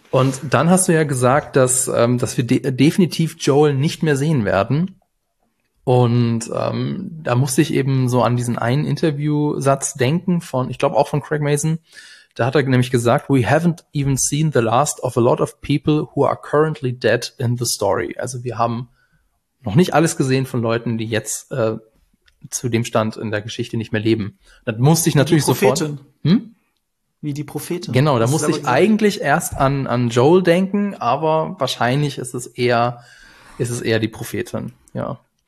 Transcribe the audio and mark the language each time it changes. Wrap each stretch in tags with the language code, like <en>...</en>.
<de>Und dann hast du ja gesagt, dass wir definitiv Joel nicht mehr sehen werden. Und da musste ich eben so an diesen einen Interviewsatz denken von, ich glaube auch von Craig Mazin. Da hat er nämlich gesagt,</de> <en>we haven't even seen the last of a lot of people who are currently dead in the story.</en> <de>Also wir haben noch nicht alles gesehen von Leuten, die jetzt zu dem Stand in der Geschichte nicht mehr leben. Das musste ich natürlich sofort... Wie die Propheten. Genau, da musste ich eigentlich erst an Joel denken, aber wahrscheinlich ist es eher die Prophetin, ja.</de>